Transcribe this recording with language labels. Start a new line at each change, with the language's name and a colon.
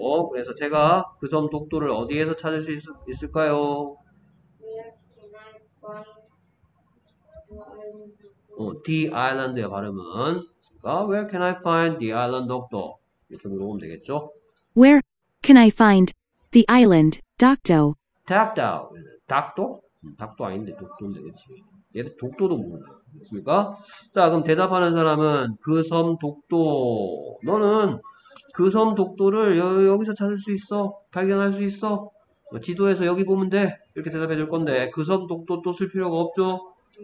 Korean: 그래서 제가 그섬 독도를 어디에서 찾을 수 있을까요?
English: The island의
Korean: 발음은
English: Where can I find the island doctor?
Korean: 이렇게 물어보면 되겠죠?
English: Where can I find the island doctor?
Korean: 닥도? 닥도 아닌데 독도인데 그치? 얘도 독도도 모르나? 그렇습니까? 자, 그럼 대답하는 사람은 그섬 독도 너는 그섬 독도를 여기서 찾을 수 있어. 발견할 수 있어. 지도에서 여기 보면 돼. 이렇게 대답해 줄 건데, 그섬 독도 또쓸 필요가 없죠?